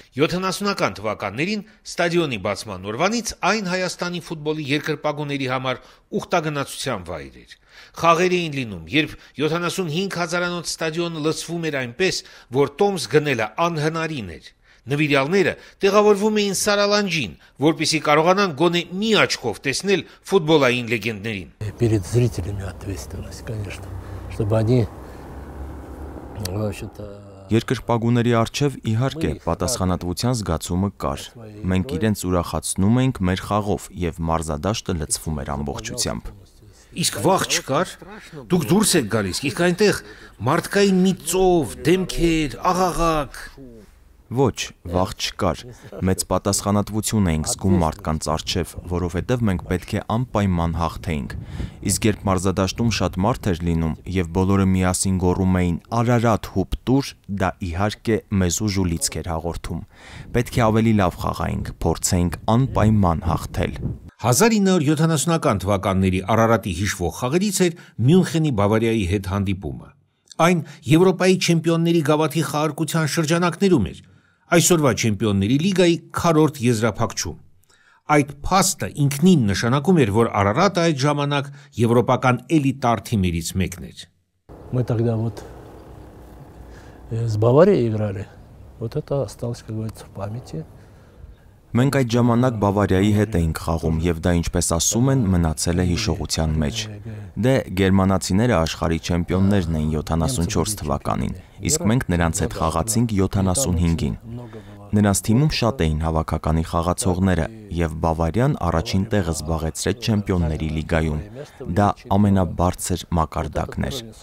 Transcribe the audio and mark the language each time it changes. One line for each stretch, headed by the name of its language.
Armenian: 70-ական թվականներին ստադիոնի բացման օրվանից այն Հայաստանի ֆուտբոլի երկրպագուների համար ուխտագնացության վայր էր։ Խաղեր էին լինում, երբ 75 հազարանոց ստադիոնը լցվում էր այնպես, որ տոմս գնելը անհնարին էր։ Նվիրյալները տեղավորվում էին Սարալանջին, որպիսի կարողանան գոնե մի աչքով տեսնել ֆուտբոլային լեգենդներին։
Russian: Перед зрителями ответственность, конечно, чтобы они
Armenian: Երկրպագուների առջև իհարկե պատասխանատվության զգացումը կար։ Մենք իրենց ուրախացնում էինք մեր խաղով և մարզադաշտը լցվում էր ամբողջությամբ։ Իսկ վախ չկար, դուք դուրս եք գալիս, իսկ այնտեղ մարդկային մի ծով, դեմքեր, աղաղակ։ Ոչ, վախ չկար, մեծ պատասխանատվություն էինք զգում մարդկանց առջև, որովհետև մենք պետք է անպայման հաղթեինք, իսկ երբ մարզադաշտում շատ մարդ էր լինում և բոլորը միասին գոռում էին «Արարատ հուպ տուր», դա իհարկե մեզ ուժուլիցք էր հաղորդում, պետք է ավելի լավ խաղայինք, փորձեինք անպայման հաղթել։ 1970-ական թվականների Արարատի հիշվող խաղերից էր Մյունխենի Բավարիայի հետ հանդիպումը։ Այն Եվրոպայի չեմպիոնների գավաթի խաղարկության շրջանակներում էր, այսօրվա չեմպիոնների լիգայի 4-րդ եզրափակչում։ Այդ փաստը ինքնին նշանակում էր, որ Արարատը այդ ժամանակ եվրոպական էլիտար թիմերից մեկն էր։
Russian: Мы тогда вот с Баварией играли. Вот это осталось, как говорится, в памяти.
Armenian: Մենք այդ ժամանակ Բավարիայի հետ էինք խաղում և դա ինչպես ասում են, մնացել է հիշողության մեջ։ Դե, գերմանացիները աշխարհի չեմպիոններն էին 74 թվականին, իսկ մենք նրանց հետ խաղացինք 75-ին։ Նրանց թիմում շատ էին հավաքականի խաղացողները և Բավարիան առաջին տեղը զբաղեցրեց չեմպիոնների լիգայում։ Դա ամենաբարձր մակարդակն էր։